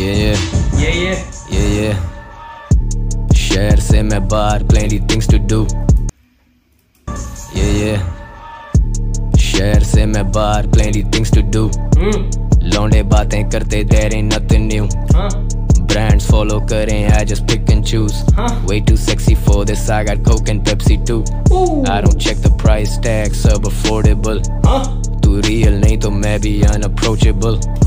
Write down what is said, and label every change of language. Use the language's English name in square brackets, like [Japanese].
[English] Yeah. [Hindi] शहर से मैं बाहर, [English] plenty things to do. Yeah. [Hindi] शहर से मैं बाहर, [English] plenty things to do. [Hindi] लौंडे बातें करते, [English] there ain't nothing new. Brands follow करें, I just pick and choose. Way too sexy for this, I got Coke and Pepsi too. I don't check the price tag, [Hindi] sub [English] affordable. [Hindi] तू real नहीं तो मैं भी unapproachable.